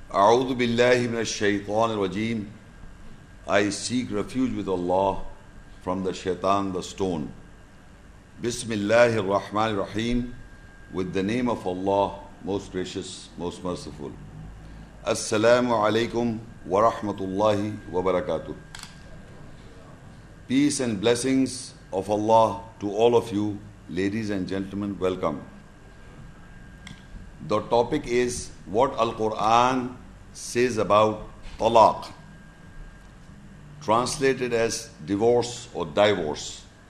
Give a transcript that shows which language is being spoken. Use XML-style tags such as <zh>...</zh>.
<ar>أعوذ بالله من الشيطان الرجيم.</ar> <en>I seek refuge with Allah from the shaitan, the stone.</en> <ar>بسم الله الرحمن الرحيم.</ar> <en>With the name of Allah, most gracious, most merciful.</en> <ar>السلام عليكم ورحمة الله وبركاته.</ar> <en>Peace and blessings of Allah to all of you, ladies and gentlemen, welcome. The topic is what Al-Quran says about talaq, translated as divorce or divorce.</en>